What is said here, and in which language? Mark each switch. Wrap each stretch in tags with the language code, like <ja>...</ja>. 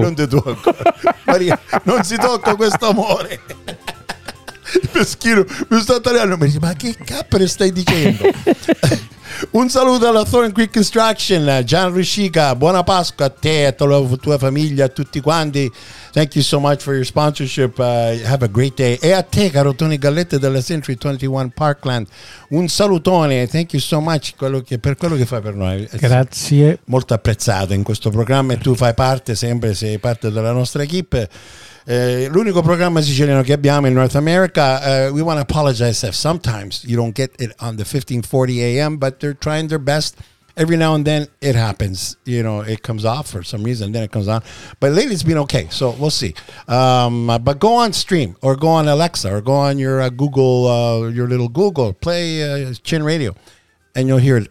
<it>Non ti tocco. Maria, non si tocca questo amore. Il peschino mi sta tagliando, mi dice, ma che cappere stai dicendo? Un saluto alla Thorn Creek Construction, Gian Ruscica, buona Pasqua a te, a tua famiglia, a tutti quanti.</it> <en>Thank you so much for your sponsorship, have a great day.</en> <it>E a te, caro Tony Galletta della Century 21 Parkland, un salutone,</it> <en>thank you so much</en> <it>per quello che fai per noi. Grazie. Molto apprezzato in questo programma e tu fai parte sempre, sei parte della nostra equipe. L'unico programma siciliano che abbiamo in</it> <en>North America, we want to apologize if sometimes you don't get it on the 1540 AM, but they're trying their best. Every now and then it happens, you know, it comes off for some reason, then it comes on. But lately it's been okay, so we'll see. But go on stream, or go on Alexa, or go on your Google, your little Google, play Chin Radio, and you'll hear it.</en>